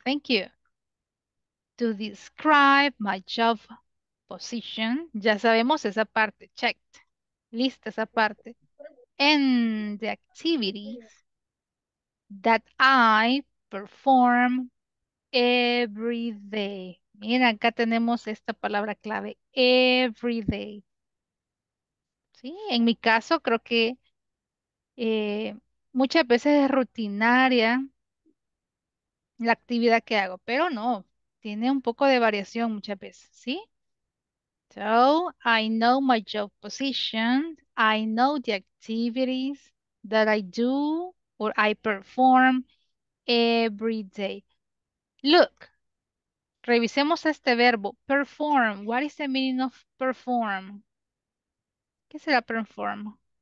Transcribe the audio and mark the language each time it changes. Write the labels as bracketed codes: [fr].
[en] Thank you. To describe my job position. [es] Ya sabemos esa parte. Checked. Lista esa parte. [en] And the activities that I perform every day. [es] Mira, acá tenemos esta palabra clave. [en] Every day. [es] Sí, en mi caso creo que muchas veces es rutinaria la actividad que hago, pero no, tiene un poco de variación muchas veces, ¿sí? [en] So, I know my job position, I know the activities that I do or I perform every day. [es] Look, revisemos este verbo, perform. [en] What is the meaning of perform? [es] ¿Qué será perform?